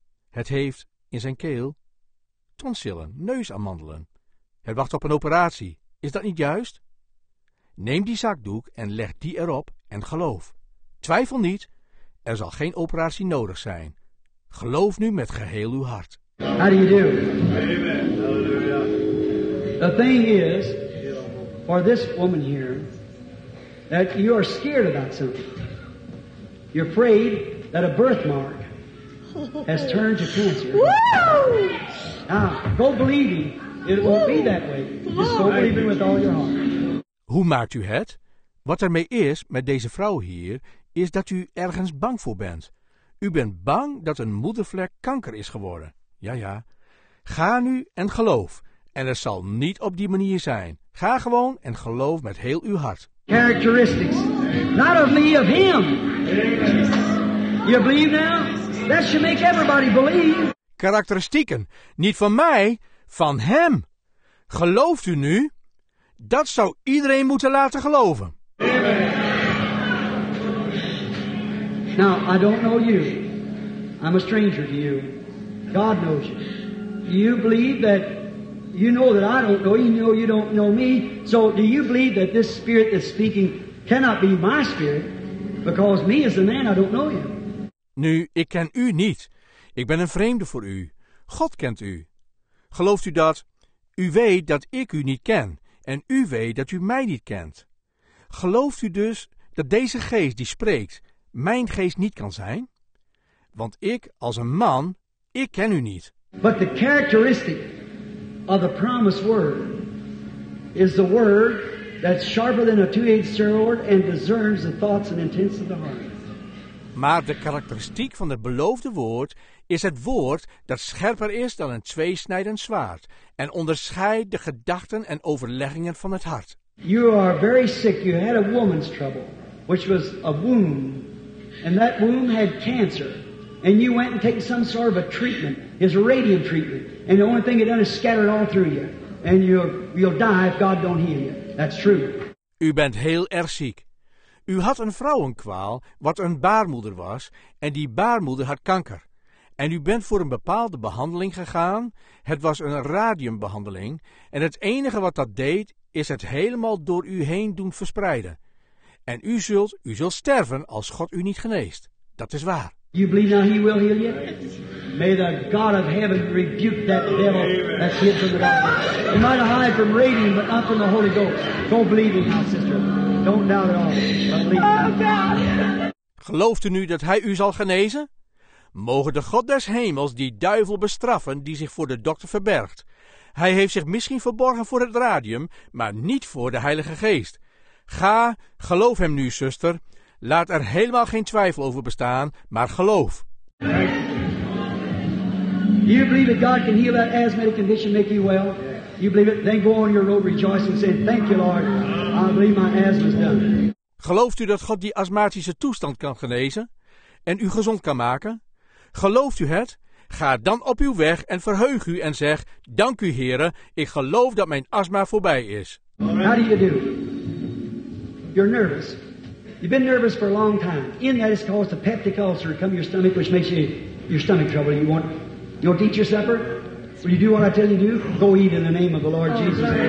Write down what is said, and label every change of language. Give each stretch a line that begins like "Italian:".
Dutch: Het heeft in zijn keel tonsillen, neusamandelen. Het wacht op een operatie. Is dat niet juist? Neem die zakdoek en leg die erop en geloof. Twijfel niet, er zal geen operatie nodig zijn. Geloof nu met geheel uw hart.
English: How do you do? Amen. Halleluja. The thing is, for this woman here, that you are scared about something. You're afraid that a birthmark has turned to cancer. Woo! Now, go believing. It won't be that way. Just go believing with all your heart.
Dutch: Hoe maakt u het? Wat ermee is met deze vrouw hier, is dat u ergens bang voor bent. U bent bang dat een moedervlek kanker is geworden. Ja, ja. Ga nu en geloof. En het zal niet op die manier zijn. Ga gewoon en geloof met heel uw hart.
English: Characteristics. Not of me, of him. You believe now? That should make everybody believe.
Dutch: Karakteristieken. Niet van mij, van hem. Gelooft u nu? Dat zou iedereen moeten laten geloven. Amen.
English: Now, I don't know you. I'm a stranger to you. God knows you. Do you believe that? You know that I don't know you. You know you don't know me. So do you believe that this spirit that's speaking cannot be my spirit? Because me as a man, I don't know you.
Dutch: Nu, ik ken u niet. Ik ben een vreemde voor u. God kent u. Gelooft u dat? U weet dat ik u niet ken. En u weet dat u mij niet kent. Gelooft u dus dat deze geest die spreekt, mijn geest niet kan zijn? Want ik, als een man, ik ken u niet.
English: But the characteristic of the promised word is the word that's sharper than a two-edged sword and discerns the thoughts and intents of the heart.
Dutch: Maar de karakteristiek van het beloofde woord is het woord dat scherper is dan een tweesnijdend zwaard en onderscheidt de gedachten en overleggingen van het hart.
English: You are very sick. You had a woman's trouble, which was a womb, and that womb had cancer. And you went and take some sort of a treatment, his radium treatment, and the only thing it done is scatter it all through you. And you'll die if God don't heal you. That's true.
Dutch: U bent heel erg ziek. U had een vrouwenkwaal wat een baarmoeder was en die baarmoeder had kanker. En u bent voor een bepaalde behandeling gegaan. Het was een radiumbehandeling en het enige wat dat deed is het helemaal door u heen doen verspreiden. En u zult sterven als God u niet geneest. Dat is waar.
English: You believe now he will heal you? May the God of heaven rebuke that devil that's hid from the doctor. You might hide from radium, but not from the Holy Ghost. Go believe now, sister. Don't doubt at all. Believe. Oh God.
Dutch: Gelooft u nu dat hij u zal genezen? Mogen de God des hemels die duivel bestraffen die zich voor de dokter verbergt. Hij heeft zich misschien verborgen voor het radium, maar niet voor de Heilige Geest. Ga, geloof hem nu, zuster. Laat er helemaal geen twijfel over bestaan, maar geloof.
English: You believe that God can heal that asthmatic condition, make you well? You believe it? Then go on your road rejoicing, say, thank you, Lord. I believe my asthma is done.
Dutch: Gelooft u dat God die astmatische toestand kan genezen en u gezond kan maken? Gelooft u het? Ga dan op uw weg en verheug u en zeg, dank u, Heere, ik geloof dat mijn astma voorbij is.
English: How do you do? You're nervous. You've been nervous for a long time. In that is caused a peptic ulcer come to your stomach, which makes you your stomach trouble. You don't eat your supper? Will you do what I tell you to do? Go eat in the name of the Lord Jesus.